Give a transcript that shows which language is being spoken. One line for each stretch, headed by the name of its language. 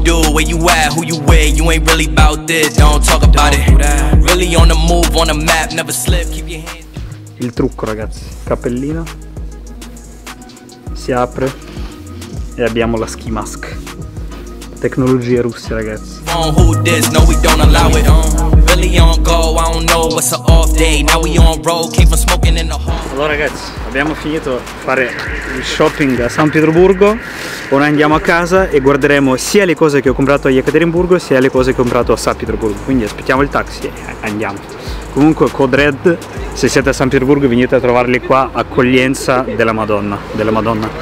English: Where you at, who you with, you ain't really about this, don't talk about it. Really on the move, on the map, never slip, keep your hands.
Italian: Il trucco ragazzi, cappellino, si apre e abbiamo la ski mask. Tecnologie russe ragazzi.
English: Who this, no we don't allow it. Really on go, I don't know what's an off day. Now we on road, keep on smoking in the hall.
Italian: Allora ragazzi, abbiamo finito fare il shopping a San Pietroburgo. Ora andiamo a casa e guarderemo sia le cose che ho comprato a Yekaterinburgo sia le cose che ho comprato a San Pietroburgo. Quindi aspettiamo il taxi e andiamo. Comunque Code Red, se siete a San Pietroburgo venite a trovarli qua, accoglienza della Madonna, della Madonna.